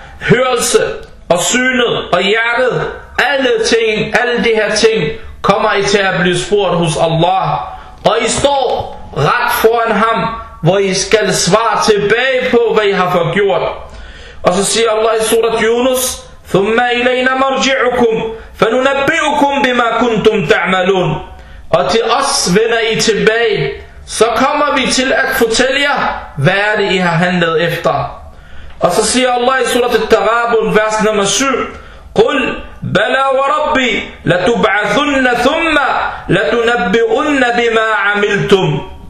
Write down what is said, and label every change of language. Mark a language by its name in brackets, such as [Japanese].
[Danish] Hørelse og synet og hjertet, alle ting, alle de her ting, kommer I til at blive spurgt hos Allah. Og I står ret foran ham, hvor I skal svare tilbage på, hvad I har forgjort. Og så siger Allah i surat Yunus, [Arabic] ثُمَّ إِلَيْنَ مَرْجِعُكُمْ فننبئكم بما كنتم تعملون. [Danish] Og til os vender I tilbage, så kommer vi til at fortælle jer, hvad er det, I har handlet efter. Og så siger Allah i surat al-Taghabun, vers nummer 7, [Arabic] قُلْ بَلَا وَرَبِّ لَتُبْعَثُنَّ ثُمَّ لَتُنَبِّئُنَّ بِمَا عَمِلْتُمْ.